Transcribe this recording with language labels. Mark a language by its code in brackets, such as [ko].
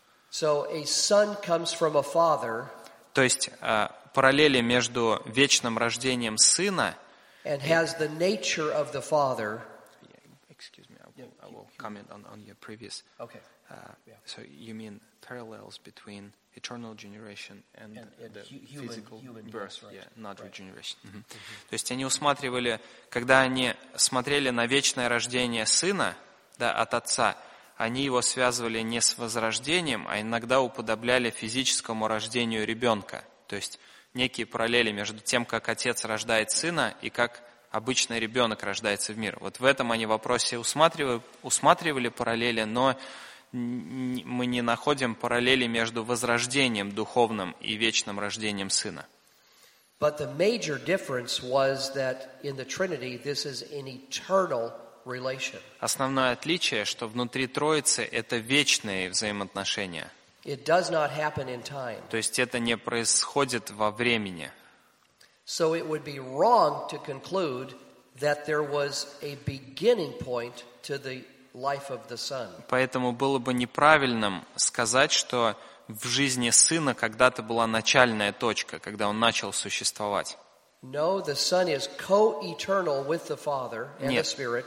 [en] So a son comes from a father. [ru] То есть параллели между вечным рождением сына. [en] And has the nature of the father. Excuse me, I will comment on your previous. Okay. So you mean parallels between eternal generation and the human, physical human birth, right. Yeah, not right. Regeneration. Mm-hmm. Mm-hmm. [ru] То есть они усматривали, когда они смотрели на вечное рождение сына, да, от отца, они его связывали не с возрождением, а иногда уподобляли физическому рождению ребенка. То есть некие параллели между тем, как отец рождает сына и как обычный ребенок рождается в мир. Вот в этом они в вопросе усматривали параллели, но мы не находим параллели между возрождением духовным и вечным рождением Сына. [en] But the major difference was that in the Trinity this is an eternal relation. [ru] Основное отличие, что внутри Троицы это вечные взаимоотношения. [en] It does not happen in time. [ru] То есть это не происходит во времени. [en] So it would be wrong to conclude that there was a beginning point to the life of the Son. [ru] Поэтому было бы неправильным сказать, что в жизни Сына когда-то была начальная точка, когда Он начал существовать. [en] No, the Son is co-eternal with the Father and the Spirit.